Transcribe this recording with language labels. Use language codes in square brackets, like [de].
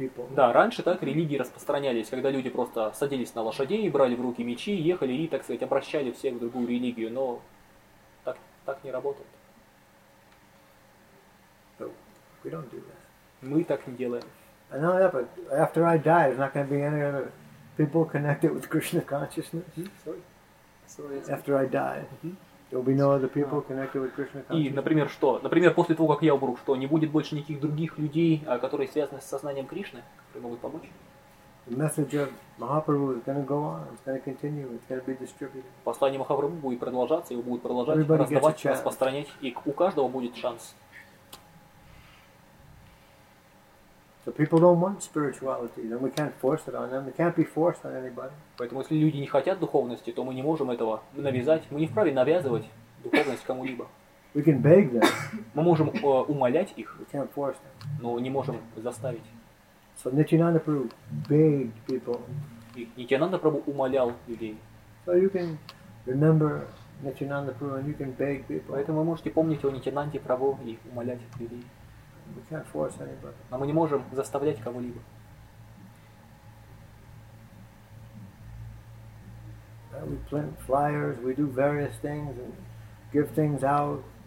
[ru] Да, раньше так религии распространялись, когда люди просто садились на лошадей, брали в руки мечи, ехали и, так сказать, обращали всех в другую религию, но так не работает. [en] We don't do that. [ru] Мы так не делаем. [en] I know that, but after I die, there's not going to be any other people connected with Krishna consciousness. Sorry. After I die. There'll be no other people connected with Krishna consciousness. [ru] И, например, что? Например, после того, как я умру, что не будет больше никаких других людей, которые связаны с сознанием Кришны, которые могут помочь? [en] The message of Mahaprabhu is going to go on. It's going to continue. It's going to be distributed. [ru] Послание Махапрабху будет продолжаться, его будут продолжать раздавать, распространять, и у каждого будет шанс. [en] So people don't want spirituality, then we can't force it on them. It can't be forced on anybody. [ru] Поэтому если люди не хотят духовности, то мы не можем этого навязать. Мы не вправе навязывать духовность кому-либо. [en] We can beg them. [ru] Мы можем умолять их. [en] We can't force them. [ru] Но не можем заставить. [en] So Nityananda Prabhu begged people. [ru] И Нитьянанда Прабху умолял людей. [en] So you can remember Nityananda Prabhu and you can beg people. [ru] Поэтому вы можете помнить о Нитьянанде Прабху и умолять людей. [en] We can't force anybody. [ru] Но мы не можем заставлять кого-либо. [en] We print flyers, we do various things and give things out.